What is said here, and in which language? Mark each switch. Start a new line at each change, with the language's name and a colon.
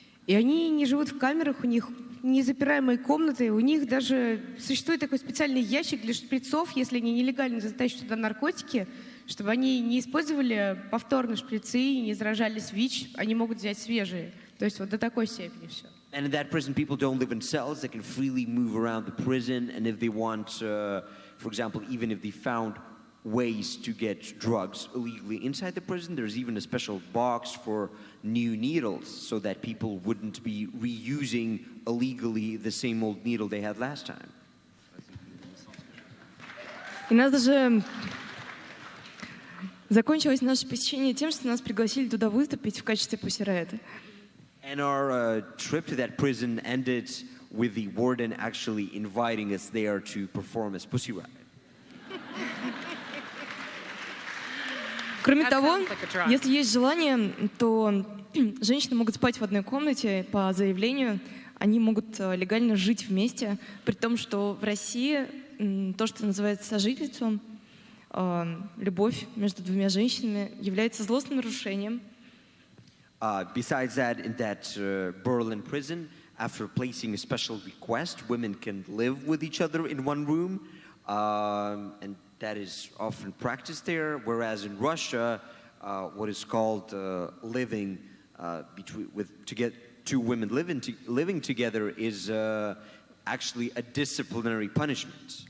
Russian: И они не живут в камерах, у них незапираемые комнаты, у них даже существует такой специальный ящик для шприцов, если они нелегально затащат туда наркотики, чтобы они не использовали повторно шприцы и не заражались ВИЧ, они могут взять свежие. То есть вот до такой степени все.
English: And in that prison people don't live in cells, they can freely move around the prison, and if they want, for example, even if they found ways to get drugs illegally inside the prison, there's even a special box for new needles so that people wouldn't be reusing illegally the same old needle they had last time.
Russian: И нас даже закончилось наше посещение тем, что нас пригласили туда выступить в качестве Pussy Riot.
English: And our trip to that prison ended with the warden actually inviting us there to perform as Pussy Riot.
Russian: Кроме того, если есть желание, то женщины могут спать в одной комнате по заявлению. Они могут легально жить вместе, при том, что в России то, что называется сожительством, любовь между двумя женщинами является злостным нарушением.
English: Besides that, in that Berlin prison, after placing a special request, women can live with each other in one room, and that is often practiced there, whereas in Russia, what is called living living together is actually a disciplinary punishment.